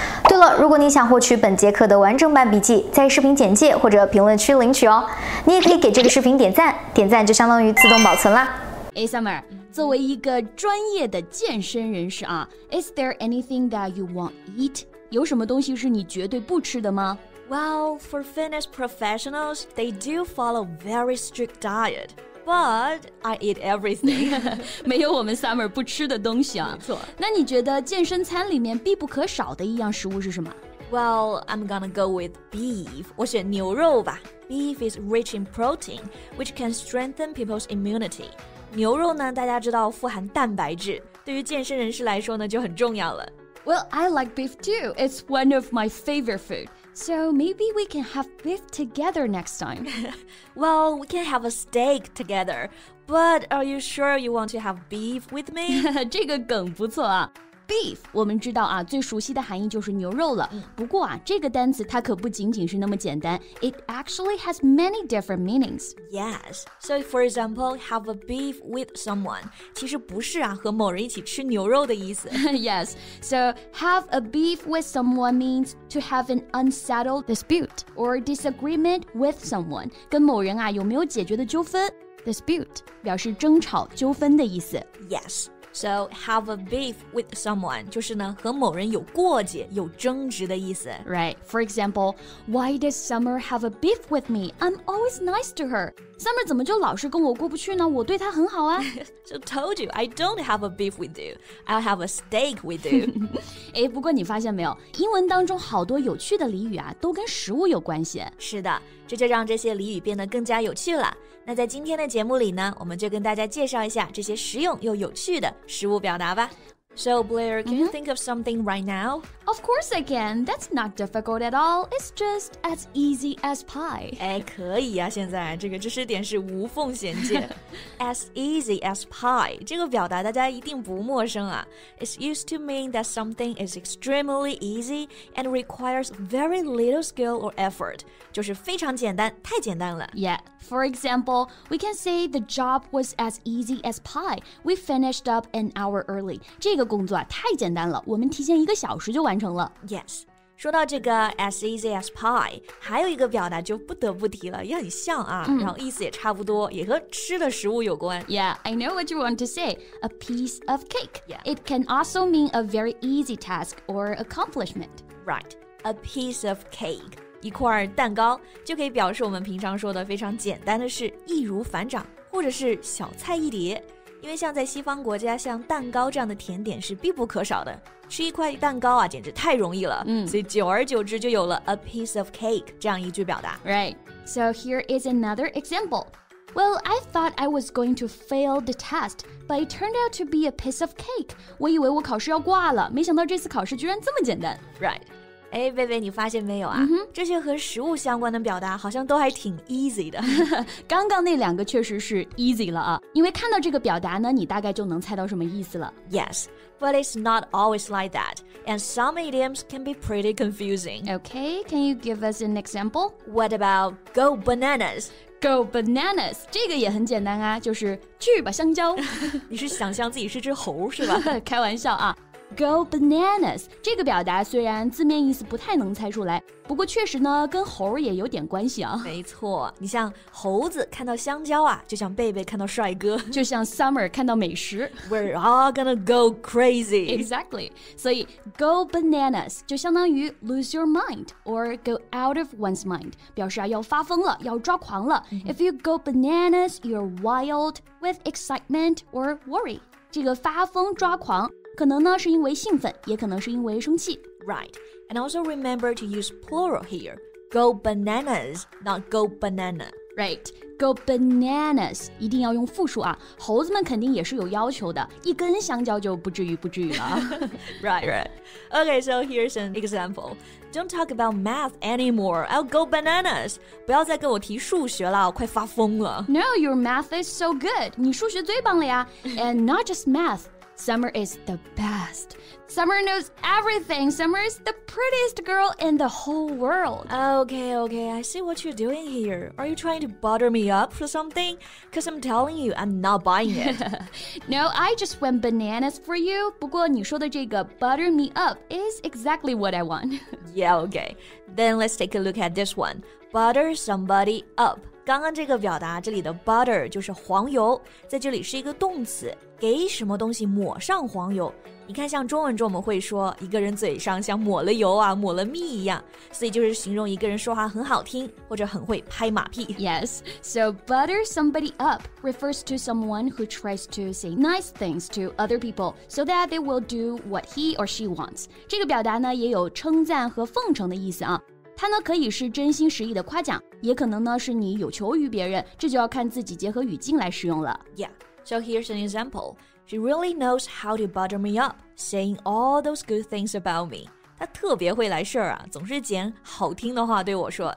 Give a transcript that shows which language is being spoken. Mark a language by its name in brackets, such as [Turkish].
[Chinese] 对了，如果你想获取本节课的完整版笔记，在视频简介或者评论区领取哦。你也可以给这个视频点赞，点赞就相当于自动保存啦。 [English] Hey Summer, [Chinese] 作为一个专业的健身人士啊 [English] ，Is there anything that you won't eat? [Chinese] 有什么东西是你绝对不吃的吗 [English] ？Well, for fitness professionals, they do follow very strict diet, but I eat everything. [Chinese] 没有我们 Summer 不吃的东西啊。没错。那你觉得健身餐里面必不可少的一样食物是什么 [English] ？Well, I'm gonna go with beef. [Chinese] 我选牛肉吧。 [English] Beef is rich in protein, which can strengthen people's immunity. [Chinese] 牛肉呢，大家知道富含蛋白质，对于健身人士来说呢就很重要了。 [English] Well, I like beef too. It's one of my favorite food. So maybe we can have beef together next time. Well, we can have a steak together. But are you sure you want to have beef with me? [Chinese] 这个梗不错啊。 Beef, 我们知道啊，最熟悉的含义就是牛肉了。不过啊，这个单词它可不仅仅是那么简单。 [English] It actually has many different meanings. Yes. So for example, have a beef with someone. [Chinese] 其实不是啊，和某人一起吃牛肉的意思。 [English] Yes. So have a beef with someone means to have an unsettled dispute or disagreement with someone. [Chinese] 跟某人啊，有没有解决的纠纷。 Dispute, 表示争吵、纠纷的意思。 Yes. So, have a beef with someone, 就是呢和某人有过节、有争执的意思。 [English] Right. For example, why does Summer have a beef with me? I'm always nice to her. [Chinese] Summer 怎么就老是跟我过不去呢？我对她很好啊。 [English] So, told you, I don't have a beef with you. I'll have a steak with you. [Chinese] 哎，不过你发现没有，英文当中好多有趣的俚语啊，都跟食物有关系。是的，这就让这些俚语变得更加有趣了。那在今天的节目里呢，我们就跟大家介绍一下这些实用又有趣的食物表达吧。 [English] So Blair, can you think of something right now? Of course I can. That's not difficult at all. It's just as easy as pie. [Chinese] 哎，可以啊，现在这个知识点是无缝衔接。 As easy as pie, 这个表达大家一定不陌生啊。 [English] It's used to mean that something is extremely easy and requires very little skill or effort. [Chinese] 就是非常简单，太简单了。 [English] Yeah, for example, we can say the job was as easy as pie. We finished up an hour early. [Chinese] 这个工作、啊、太简单了，我们提前一个小时就完成了。 Yes, 说到这个 as easy as pie, 还有一个表达就不得不提了，也很像啊、嗯、然后意思也差不多，也和吃的食物有关。 [English] Yeah, I know what you want to say, a piece of cake.、 Yeah. It can also mean a very easy task or accomplishment. [Chinese] Right, a piece of cake, 一块蛋糕就可以表示我们平常说的非常简单的事，易如反掌，或者是小菜一碟。因为像在西方国家，像蛋糕这样的甜点是必不可少的。吃一块蛋糕啊，简直太容易了。嗯，所以久而久之就有了 a piece of cake 这样一句表达。 [English] Right. So here is another example. Well, I thought I was going to fail the test, but it turned out to be a piece of cake. [Chinese] 我以为我考试要挂了，没想到这次考试居然这么简单。 Right. 哎，贝贝，你发现没有啊、 mm-hmm. 这些和食物相关的表达好像都还挺 easy 的。刚刚那两个确实是 easy 了啊，因为看到这个表达呢，你大概就能猜到什么意思了。 [English] Yes, but it's not always like that. And some idioms can be pretty confusing. Okay, can you give us an example? What about go bananas? [Chinese] Go bananas, 这个也很简单啊，就是去吧香蕉。你是想象自己是只猴是吧？开玩笑啊。Go bananas, 这个表达虽然字面意思不太能猜出来，不过确实呢跟猴也有点关系啊。没错，你像猴子看到香蕉啊，就像贝贝看到帅哥，就像 Summer 看到美食。 [English] We're all gonna go crazy. [Chinese] Exactly. 所以 go bananas 就相当于 lose your mind or go out of one's mind, 表示啊要发疯了，要抓狂了。 Mm-hmm. [English] If you go bananas, you're wild with excitement or worry. [Chinese] 这个发疯抓狂可能呢是因为兴奋，也可能是因为生气。 [English] Right, and also remember to use plural here. Go bananas, not go banana. Right, go bananas. [Chinese] 一定要用复数啊，猴子们肯定也是有要求的，一根香蕉就不至于不至于了。 [English] Right, right. Okay, so here's an example. Don't talk about math anymore. I'll go bananas. [Chinese] 不要再跟我提数学了，我快发疯了。 [English] No, your math is so good. [Chinese] 你数学最棒了呀。 [English] And not just math. Summer is the best. Summer knows everything. Summer is the prettiest girl in the whole world. Okay, okay, I see what you're doing here. Are you trying to butter me up for something? Because I'm telling you, I'm not buying it. No, I just went bananas for you. [Chinese] 不过你说的这个 [English] butter me up is exactly what I want. Yeah, okay. Then let's take a look at this one. Butter somebody up. [Chinese] 刚刚这个表达这里的 butter 就是黄油，在这里是一个动词，给什么东西抹上黄油。你看像中文中我们会说一个人嘴上像抹了油啊，抹了蜜一样，所以就是形容一个人说话很好听或者很会拍马屁。 [English] Yes, so butter somebody up refers to someone who tries to say nice things to other people so that they will do what he or she wants. [Chinese] 这个表达呢也有称赞和奉承的意思啊，它呢可以是真心实意的夸奖，也可能呢是你有求于别人，这就要看自己结合语境来使用了。 [English] Yeah, so here's an example. She really knows how to butter me up, saying all those good things about me. [Chinese] 她特别会来事儿啊，总是捡好听的话对我说。